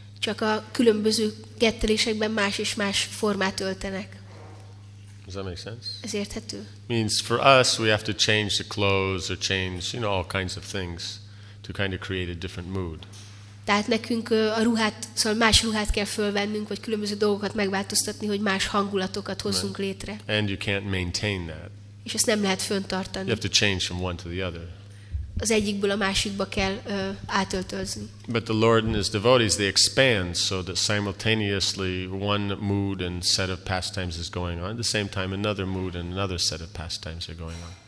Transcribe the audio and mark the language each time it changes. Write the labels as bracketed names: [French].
[Hungarian] Csak a különböző gettelésekben más és más formát öltenek. [English] Does that make sense? [Hungarian] Ez érthető. [English] Means for us we have to change the clothes or change, you know, all kinds of things to kind of create a different mood. [Hungarian] Tehát nekünk a ruhát, szóval más ruhát kell fölvennünk, vagy különböző dolgokat megváltoztatni, hogy más hangulatokat hozzunk létre. [English] And you can't maintain that. [Hungarian] És ezt nem lehet fönntartani. [English] You have to change from one to the other. [Hungarian] Az egyikből a másikba kell átöltözni. [English] But the Lord and his devotees, they expand so that simultaneously one mood and set of pastimes is going on. At the same time another mood and another set of pastimes are going on.